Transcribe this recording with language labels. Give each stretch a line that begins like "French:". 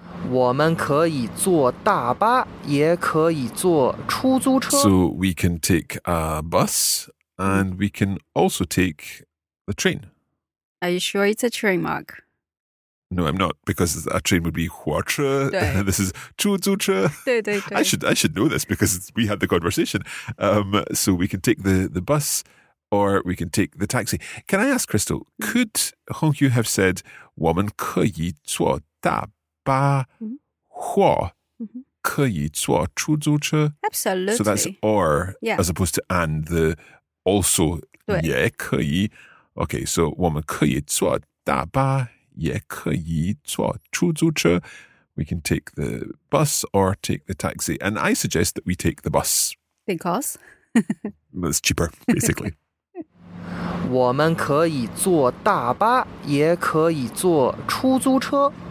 Chinese: 我们可以坐大巴，也可以坐出租车。
English: So we can take a bus, and we can also take the train. Are you sure it's a train, Mark? No, I'm not, because a train would be 火车, this is 出租车.
Chinese: 对对对。
English: I should know this, because we had the conversation. So we can take the bus, or we can take the taxi. Can I ask, Crystal, could Hong Yu have said,
Chinese: 我们可以坐大巴或可以坐出租车?
English: Absolutely. So that's or, as opposed to and, the also 也可以. Okay, so
Chinese: 我们可以坐大巴也可以坐出租车.
English: We can take the bus or take the taxi. And I suggest that we take the bus. Because? It's cheaper, basically.
Chinese: 我们可以坐大巴，也可以坐出租车。